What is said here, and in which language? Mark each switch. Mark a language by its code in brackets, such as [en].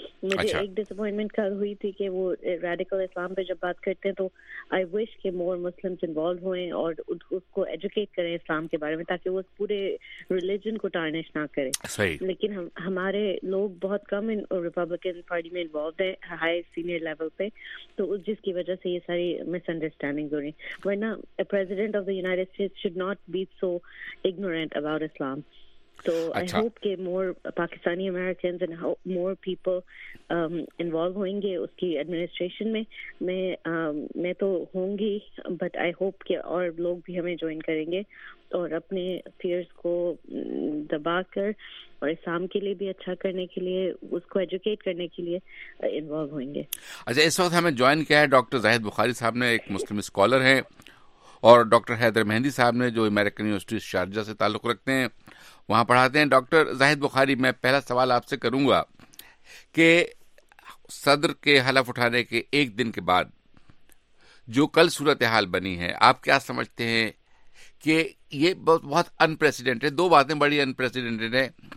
[ur] مجھے ایک ڈس اپوائنٹمنٹ کل ہوئی تھی کہ وہ ریڈیکل اسلام پہ جب بات کرتے ہیں تو [en] I wish [ur] کہ [en] more Muslims involve [ur] ہوئیں اور اس کو ایجوکیٹ کریں اسلام کے بارے میں تاکہ وہ اس پورے ریلیجن کو ٹارنش نہ کرے. لیکن ہمارے لوگ بہت کم ریپبلکن پارٹی میں انوالوڈ ہیں ہائی سینئر لیول پہ, تو جس کی وجہ سے یہ ساری مس understanding. [en] Why not? A president of the United States should not be so ignorant about Islam. So I hope that more Pakistani Americans and more people involved will be in his administration. I will be there, but I hope that more people will join us. And our fears will be dropped and will be involved in Islam and will be educated. At this time, we joined by Dr. [ur] Zahid Bukhari, [en] who is a Muslim scholar, [ur] اور doctor Haider مہندی صاحب نے جو American university Sharjah سے تعلق رکھتے ہیں وہاں پڑھاتے ہیں. ڈاکٹر زاہد بخاری, میں پہلا سوال آپ سے کروں گا کہ صدر کے حلف اٹھانے کے ایک دن کے بعد جو کل صورتحال بنی ہے, آپ کیا سمجھتے ہیں کہ یہ بہت انپریسیڈنٹڈ ہے؟ دو باتیں بڑی انپریسیڈنٹڈ ہیں.